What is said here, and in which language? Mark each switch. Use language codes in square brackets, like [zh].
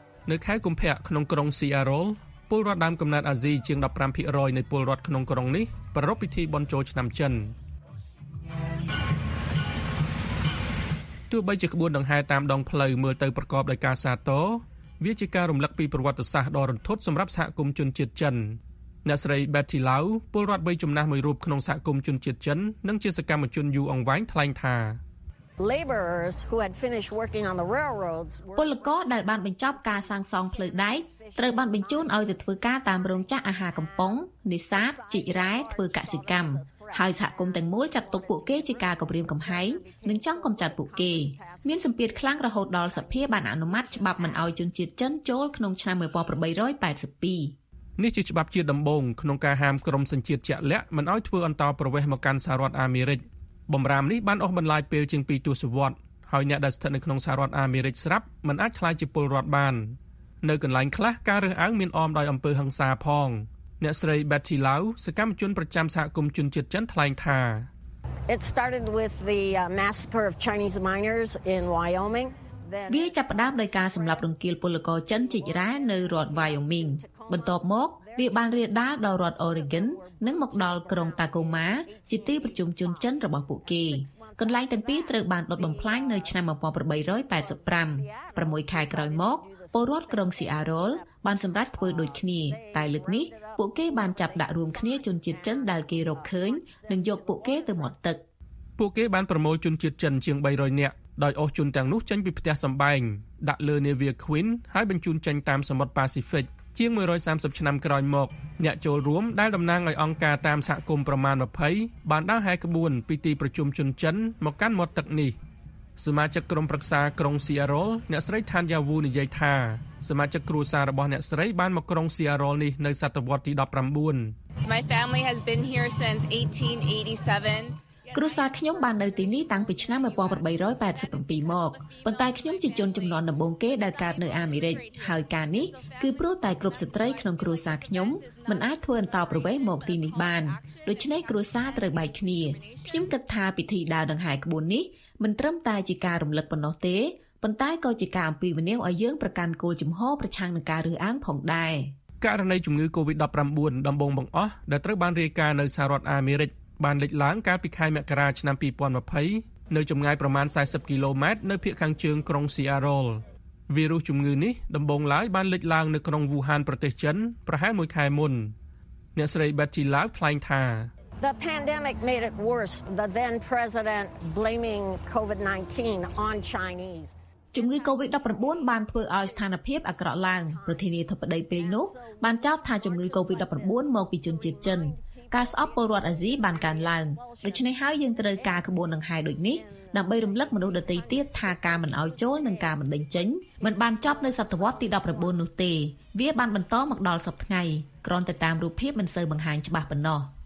[km] នៅខែកុម្ភៈក្នុងក្រុង Seattle ពលរដ្ឋដើមកំណើតអាស៊ីជាង 15% នៃពលរដ្ឋក្នុងក្រុងនេះប្រារព្ធពិធីបុណ្យចូលឆ្នាំចិនទោះបីជាក្បួនដង្ហែតាមដងផ្លូវមើលទៅប្រកបដោយការសាទរវាជាការរំលឹកពីប្រវត្តិសាស្ត្រដ៏រន្ធត់សម្រាប់សហគមន៍ជនជាតិចិនអ្នកស្រី Betty Lau ពលរដ្ឋវ័យចំណាស់មួយរូបក្នុងសហគមន៍ជនជាតិចិននិងជាសកម្មជនយូអង្វែងថ្លែងថា [en] Laborers who had finished working on the railroads [km] ពលករដែលបានបញ្ចប់ការសាងសង់ផ្លូវដែកត្រូវបានបញ្ជូនឲ្យទៅធ្វើការតាមរោងចក្រអាហារកំប៉ុងនេសាទជីករ៉ែធ្វើកសិកម្ម ហើយសហគមន៍ទាំងមូលចាត់ទុកពួកគេជាការគំរាមកំហែងនិងចង់កំចាត់ពួកគេមានសម្ពាធខ្លាំងរហូតដល់សភាបានអនុម័តច្បាប់មិនអោយជនជាតិចិនចូលក្នុងឆ្នាំ1882 នេះជាច្បាប់ជាដំបូងក្នុងការហាមក្រុមសញ្ជាតិជាក់លាក់មិនអោយធ្វើអន្តរប្រវេសមកកាន់សហរដ្ឋអាមេរិកបំរាមនេះបានអូសបន្លាយពេលជាង2ទសវត្សហើយអ្នកដែលស្ថិតនៅក្នុងសហរដ្ឋអាមេរិកស្រាប់មិនអាចខ្លាចជាពលរដ្ឋបាននៅកន្លែងខ្លះការរើសអើងមានអមដោយអំពើហិង្សាផងអ្នកស្រី Betty Lau សកម្មជនប្រចាំសហគមន៍ជនជាតិចិនថ្លែងថា [en] It started with the massacre of Chinese miners in Wyoming [km] វាចាប់ផ្ដើមដោយការសម្លាប់រង្គាលពលករចិនជាច្រើននៅរដ្ឋ Wyoming បន្ទាប់មកវាបានរៀបដាលដល់រដ្ឋ Oregon និងមកដល់ក្រុង Tacoma ជាទីប្រជុំជនចិនរបស់ពួកគេកន្លែងទាំងពីរត្រូវបានដុតបំផ្លាញនៅឆ្នាំ1885 6ខែក្រោយមកពលរដ្ឋក្រុង Seattle បានសម្រេចធ្វើដូចគ្នាតែលើកនេះពួកគេបានចាប់ដាក់រួមគ្នាជនជាតិចិនដែលគេរកឃើញនិងយកពួកគេទៅមាត់ទឹក ពួកគេបានប្រមូលជនជាតិចិនជាង300នាក់ដោយអស់ជនទាំងនោះចេញពីផ្ទះសំបែងដាក់លើនាវា Queen ហើយបញ្ជូនចេញតាមសមុទ្រ Pacific ជាង130ឆ្នាំក្រោយមកអ្នកចូលរួមដែលតំណាងឲ្យអង្គការតាមសហគមន៍ប្រមាណ20បានដើរហែក្បួនពីទីប្រជុំជនចិនមកកាន់មាត់ទឹកនេះសមាជិកក្រុមប្រឹក្សាក្រុង Seattle អ្នកស្រី Tanya Wu និយាយថាសមាជិកគ្រួសាររបស់អ្នកស្រីបានមកក្រុង Seattle នេះនៅសតវត្សទី19 [en] My family has been here since 1887 [km] គ្រួសារខ្ញុំបាននៅទីនេះតាំងពីឆ្នាំ1887មកប៉ុន្តែខ្ញុំជាជនចំនួនដំបូងគេដែលកើតនៅអាមេរិកហើយការនេះគឺព្រោះតែគ្រប់ស្ត្រីក្នុងគ្រួសារខ្ញុំមិនអាចធ្វើអន្តរប្រវេសន៍មកទីនេះបានដូច្នេះគ្រួសារត្រូវបែកគ្នាខ្ញុំគិតថាពិធីដើរដង្ហែក្បួននេះមិនត្រឹមតែជាការរំលឹកប៉ុណ្ណោះទេប៉ុន្តែក៏ជាការអំពាវនាវឲ្យយើងប្រកាន់គោលជំហរប្រឆាំងនឹងការរើសអើងផងដែរ ករណីជំងឺ COVID-19 ដំបូងបង្អស់ដែលត្រូវបានរាយការណ៍នៅសហរដ្ឋអាមេរិកបានលេចឡើងកាលពីខែមករាឆ្នាំ2020នៅចម្ងាយប្រមាណ40គីឡូម៉ែត្រនៅភាគខាងជើងក្រុង Seattle វីរុសជំងឺនេះដំបូងឡើយបានលេចឡើងនៅក្នុង Wuhan ប្រទេសចិនប្រហែលមួយខែមុនអ្នកស្រី Betty Lau ថ្លែងថា [en] The pandemic made it worse the then president blaming COVID-19 on Chinese [km] ជំងឺ COVID-19 បានធ្វើឲ្យស្ថានភាពអាក្រក់ឡើងប្រធានាធិបតីពេលនោះបានចោទថាជំងឺ COVID-19 មកពីជនជាតិចិនការស្អប់ពលរដ្ឋអាស៊ីបានកើនឡើងដូច្នេះហើយយើងត្រូវការក្បួនដង្ហែដូចនេះដើម្បីរំលឹកមនុស្សដទៃទៀតថាការមិនឲ្យចូលនិងការមិនដេញចេញមិនបានចប់នៅសតវត្សទី19នោះទេវាបានបន្តមកដល់សព្វថ្ងៃក្រំទៅតាមរូបភាពមិនសូវបង្ហាញច្បាស់ប៉ុណ្ណោះ